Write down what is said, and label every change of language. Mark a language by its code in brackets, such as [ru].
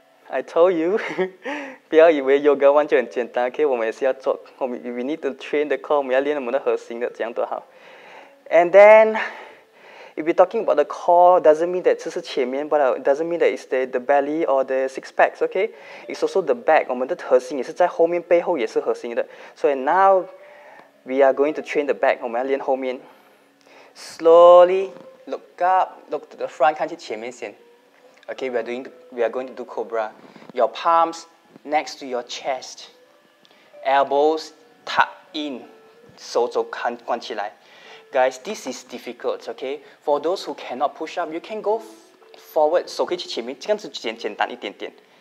[en] I told you, [zh] 不要以为 yoga 完全很简单 ，OK? 我们也是要做。 [en] We need to train the core, [zh] 我们要练我们的核心的，这样多好。 [en] And then,If you're talking about the core, doesn't mean that [zh] 这是前面 [en] but it doesn't mean that it's the belly or the six packs, okay? It's also the back. [zh] 我们的核心也是在后面，背后也是核心的。 [en] So now, we are going to train the back. [zh] 我们要练后面。 [en] Slowly, look up, look to the front, [zh] 看去前面先。 [en] Okay, we are going to do cobra. Your palms next to your chest. Elbows tucked in. [zh] 手肘看关起来。 [en] Guys, this is difficult, okay? For those who cannot push up, you can go forward. [zh] 手可以去前面，这样子简单一点点。